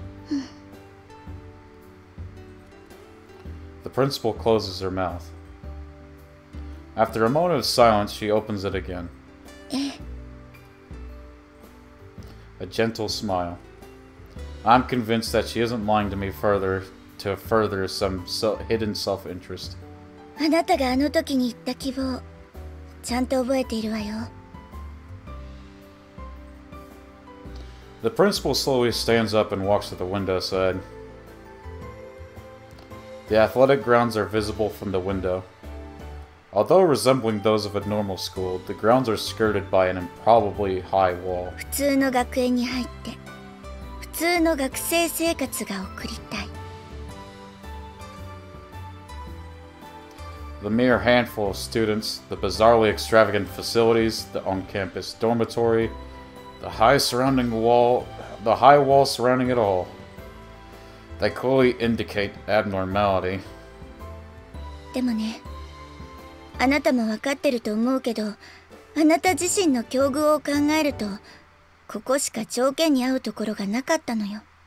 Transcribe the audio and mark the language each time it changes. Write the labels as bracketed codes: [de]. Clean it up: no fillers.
[en] The principal closes her mouth. After a moment of silence, she opens it again. A gentle smile. I'm convinced that she isn't lying to me further some hidden self-interest. [ja] あなたがあの時に言った希望、ちゃんと覚えているわよ。 [en] The principal slowly stands up and walks to the window side. The athletic grounds are visible from the window. Although resembling those of a normal school, the grounds are skirted by an improbably high wall. [ja] 普通の学園に入って、普通の学生生活が送りたい。 [en] The mere handful of students, the bizarrely extravagant facilities, the on-campus dormitory, the high wall surrounding it all. They clearly indicate abnormality. [ja] でもね、あなたも分かってると思うけど、あなた自身の境遇を考えると、ここしか条件に合うところがなかったのよ。